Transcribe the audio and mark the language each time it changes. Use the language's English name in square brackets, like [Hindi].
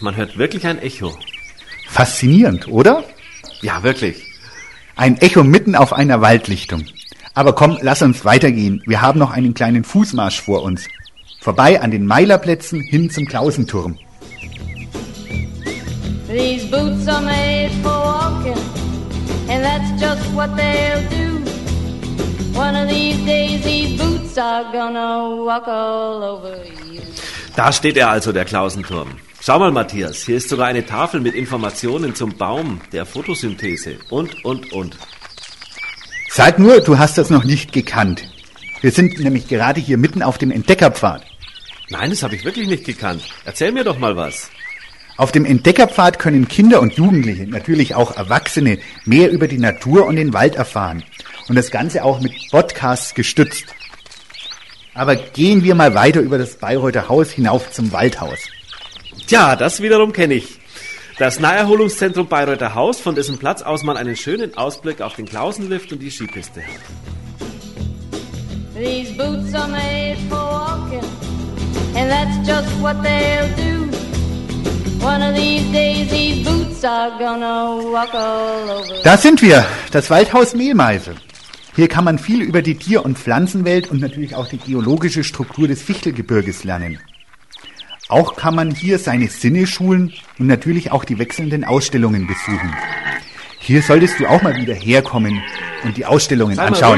[German] Man hört wirklich ein Echo. Faszinierend, oder? Ja, wirklich. Ein Echo mitten auf einer Waldlichtung. Aber komm, lass uns weitergehen. Wir haben noch einen kleinen Fußmarsch vor uns. Vorbei an den Meilerplätzen hin zum Klausenturm. [English] These boots are made for walking, and that's just what they'll do. One of these days these boots are gonna walk all over you. [German] Da steht er also, der Klausenturm. Schau mal, Matthias, hier ist sogar eine Tafel mit Informationen zum Baum, der Photosynthese und. Sag nur, du hast das noch nicht gekannt. Wir sind nämlich gerade hier mitten auf dem Entdeckerpfad. Nein, das habe ich wirklich nicht gekannt. Erzähl mir doch mal was. Auf dem Entdeckerpfad können Kinder und Jugendliche, natürlich auch Erwachsene, mehr über die Natur und den Wald erfahren. Und das Ganze auch mit Podcasts gestützt. Aber gehen wir mal weiter über das Bayreuther Haus hinauf zum Waldhaus. Tja, das wiederum kenne ich. Das Naherholungszentrum Bayreuther Haus, von dessen Platz aus man einen schönen Ausblick auf den Klausenlift und die Skipiste hat. [English] These boots are made for walking, and that's just what they'll do. One of these days these boots are gonna walk all over. [German] Da sind wir, das Waldhaus Mehlmeise. Hier kann man viel über die Tier- und Pflanzenwelt und natürlich auch die geologische Struktur des Fichtelgebirges lernen. Auch kann man hier seine Sinne schulen und natürlich auch die wechselnden Ausstellungen besuchen. Hier solltest du auch mal wieder herkommen und die Ausstellungen anschauen.